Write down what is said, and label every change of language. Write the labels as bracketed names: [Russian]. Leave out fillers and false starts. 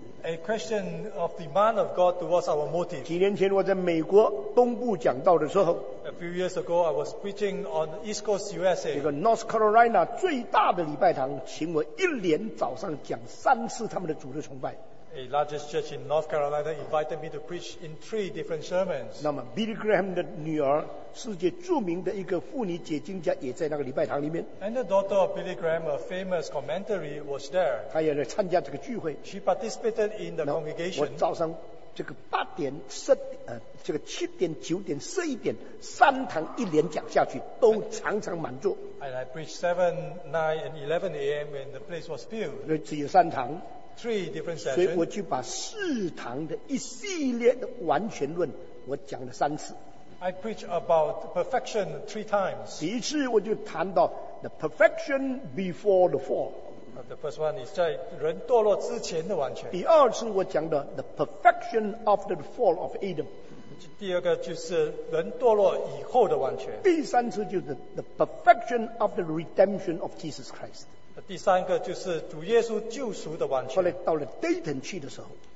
[English] A question of the demand of God towards our motive. [Chinese] 几年前我在美国东部讲道的时候， [English] a few years ago I was preaching on the East Coast USA. [Chinese] 这个 North Carolina 最大的礼拜堂请我一连早上讲三次他们的主日崇拜。 [English] A largest church in North Carolina invited me to preach in three different sermons. [Chinese] 那么 Billy Graham的女儿， 世界著名的一个妇女解经家也在那个礼拜堂里面。 [English] And the daughter of Billy Graham, a famous commentary, was there. [Chinese] 她也来参加这个聚会。 [English] She participated in the congregation. [Chinese] 我早上这个八点、十、这个七点、九点、十一点三堂一连讲下去，都常常满座。 [English] And I preached 7, 9, and 11 a.m. when the place was filled. [Chinese] 那只有三堂。 [English] Three different sessions. [Chinese] 所以我就把四堂的一系列的完全论，我讲了三次。 [English] I preach about perfection three times. [Chinese] 第一次我就谈到 [English] the perfection before the fall. The first one is [Chinese] 在人堕落之前的完全。第二是我讲的 [English] the perfection after the fall of Adam. [Chinese] 第二个就是人堕落以后的完全。第三次就是 [English] the perfection after the redemption of Jesus Christ. [Chinese] 第三个就是主耶稣救赎的完全。后来到了 Dayton去的时候，